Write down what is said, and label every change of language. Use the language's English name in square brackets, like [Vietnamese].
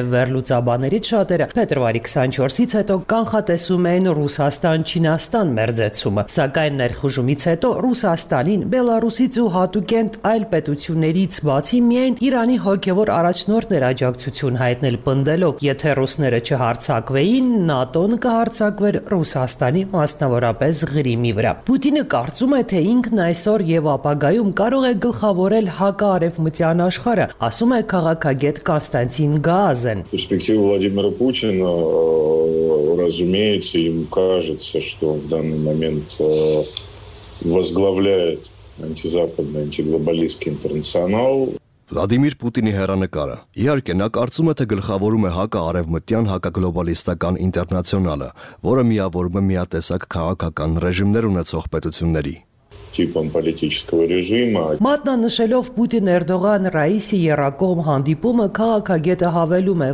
[Armenian] վերլուծաբաներից շատերը փետրվարի 24-ից հետո կանխատեսում էին Ռուսաստան-Չինաստան մերձեցումը, սակայն ներխուժումից հետո Ռուսաստանին Բելարուսից ու հատուկենտ այլ պետություններից բացի միայն Իրանի հոգևոր առաջնորդ ներաջակցություն հայտնել, պնդելով, եթե ռուսները չհարցակվեին, Ուկրաինային ՆԱՏՕ-ն կհարձակվեր Ռուսաստանի, մասնավորապես Ղրիմի վրա։ Պուտինը կարծում է, թե ինքն այսօր եւ ապագայում կարող է գլխավորել հակաարևմտյան աշխարհը, ասում է քաղաքագետ Կոնստանտին Գազեն։ [Russian] Պերսպեկտիվա Վլադիմիր Պուտինը, разумеется, ему кажется, что в данный момент возглавляет антизападный, антиглобалистский интернационал. [Armenian] Վլադիմիր Պուտինի հեռանկարը։ Իհարկե, նա կարծում է, թե գլխավորում է հակաարևմտյան հակագլոբալիստական ինտերնացիոնալը, որը միավորում է միատեսակ քաղաքական ռեժիմներ ունեցող պետությունների [Russian] типом политического режима. [Armenian] Մատնա նշելով Պուտին Էրդողան Ռայիսի Երակոմ հանդիպումը քաղաքագետը հավելում է.